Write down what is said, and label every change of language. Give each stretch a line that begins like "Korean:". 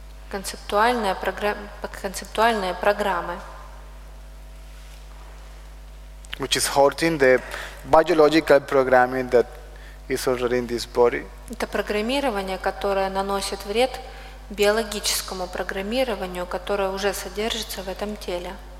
Russian: Концептуальные программы.
English: Which is holding the biological programming that is already in this body.
Russian: Это программирование, которое наносит вред биологическому программированию, которое уже содержится в этом теле.